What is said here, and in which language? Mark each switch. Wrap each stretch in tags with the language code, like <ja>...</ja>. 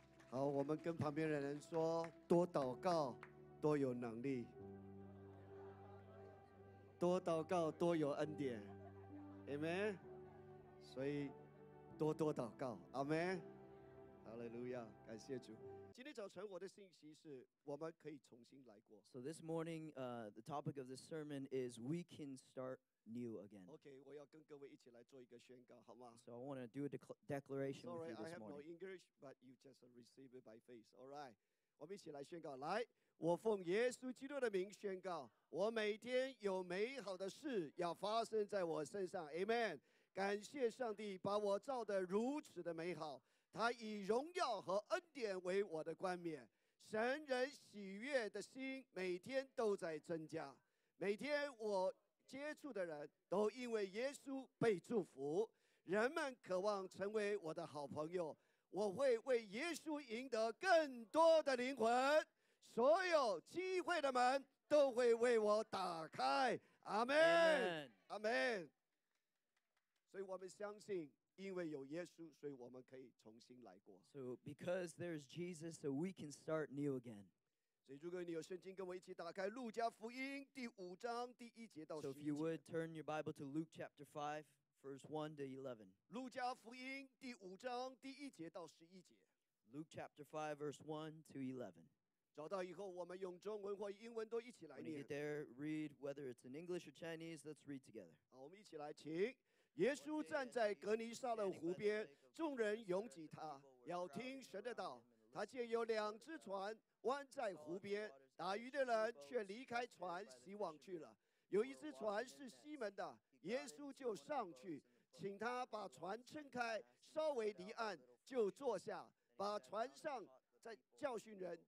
<zh>好，我们跟旁边的人说，多祷告多有能力，多祷告多有恩典。</zh> <en>Amen。</en> <zh>所以多多祷告，阿们，哈利路亚，感谢主。今天早晨我的信息是，我们可以重新来过。</zh> <en>So this morning, the topic of the sermon is we can start new again.</en> <zh>Okay, 我要跟各位一起来做一个宣告，好吗</zh> <en>？So I want to do a declaration. Sorry, with you this I have morning. No English, but you just receive it by faith. All right,</en> <zh>我们一起来宣告。来，我奉耶稣基督的名宣告，我每天有美好的事要发生在我身上。</zh> <en>Amen。</en> <zh>感谢上帝把我造得如此的美好，他以荣耀和恩典为我的冠冕。神人喜悦的心每天都在增加，每天我接触的人都因为耶稣被祝福，人们渴望成为我的好朋友。我会为耶稣赢得更多的灵魂，所有机会的门都会为我打开。阿们，阿们。所以我们相信，因为有耶稣，所以我们可以重新来过。</zh> <en>So because there's Jesus, so we can start new again.</en> <zh>所以如果你有圣经，跟我一起打开《路加福音》5:1-11。</zh> <en>So if you would turn your Bible to Luke 5:1-11。</en> <zh>路加福音第五章第一节到十一节。</zh> <en>Luke chapter 5, verse 1 to 11.</en> <zh>找到以后，我们用中文或英文都一起来念。</zh> <en>When you get there, read whether it's in English or Chinese. Let's read together.</en> <zh>好，我们一起来，请。耶稣站在格尼撒勒湖边，众人拥挤他，要听神的道。他见有两只船弯在湖边，打鱼的人却离开船洗网去了。有一只船是西门的，耶稣就上去，请他把船撑开，稍微离岸，就坐下，把船上在教训人。</zh>